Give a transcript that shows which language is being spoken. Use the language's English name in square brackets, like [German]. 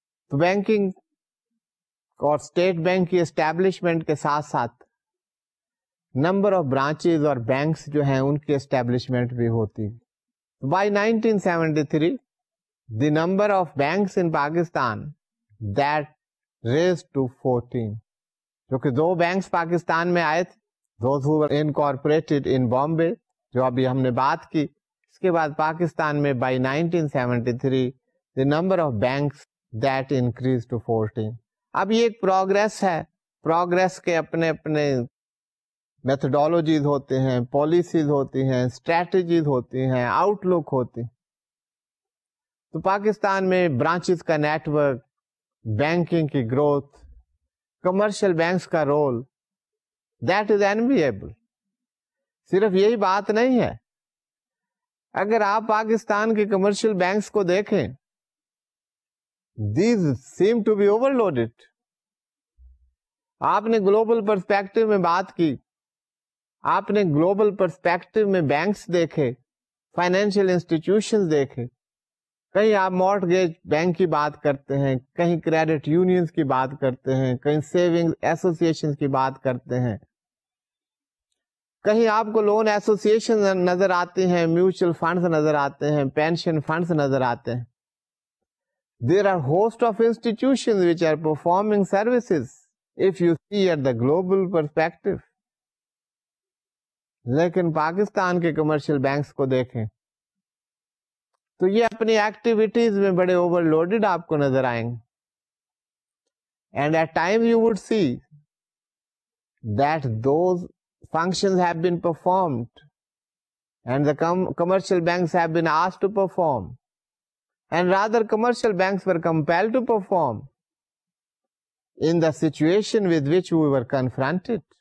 [Urdu] تو بینکنگ اور state bank کی اسٹیبلشمنٹ کے ساتھ ساتھ نمبر آف برانچز اور بینکس جو ہیں ان کی اسٹیبلشمنٹ بھی ہوتی. [English] By 1973 the number of banks in Pakistan that raised to 14. [Urdu] کیونکہ دو بینکس پاکستان میں آئے تھے, [English] those who were incorporated in Bombay [Urdu] جو ابھی ہم نے بات کی. اس کے بعد پاکستان میں [English] by 1973 the number of banks that increased to 14. [Urdu] اب یہ ایک پروگریس ہے. پروگریس کے اپنے اپنے میتھڈالوجیز ہوتے ہیں, پالیسیز ہوتی ہیں, اسٹریٹجیز ہوتی ہیں, آؤٹ لک ہوتی ہیں. تو پاکستان میں برانچز کا نیٹ ورک, بینکنگ کی گروتھ, کمرشل بینکس کا رول, [English] That is enviable. [Urdu] صرف یہی بات نہیں ہے, اگر آپ پاکستان کے کمرشل بینکس کو دیکھیں [English] These seem to be overloaded. [Urdu] آپ نے گلوبل پرسپیکٹو میں بات کی, آپ نے گلوبل پرسپیکٹو میں بینکس دیکھے, فائنینشیل انسٹیٹیوشنز دیکھے, کہیں آپ مارٹگیج بینک کی بات کرتے ہیں, کہیں کریڈٹ یونینز کی بات کرتے ہیں, کہیں سیونگ ایسوسیشن کی بات کرتے ہیں, کہیں آپ کو لون ایسوسیشن نظر آتے ہیں, میوچل فنڈز نظر آتے ہیں, پینشن فنڈز نظر آتے ہیں. [English] There are host of institution which are performing services if you see at the global perspective. [Urdu] لیکن پاکستان کے کمرشل بینکس کو دیکھیں تو یہ اپنی ایکٹیویٹیز میں بڑے اوور لوڈیڈ آپ کو نظر آئیں گے. [English] And at times you would see that those functions have been performed and the commercial banks have been asked to perform and rather commercial banks were compelled to perform in the situation with which we were confronted.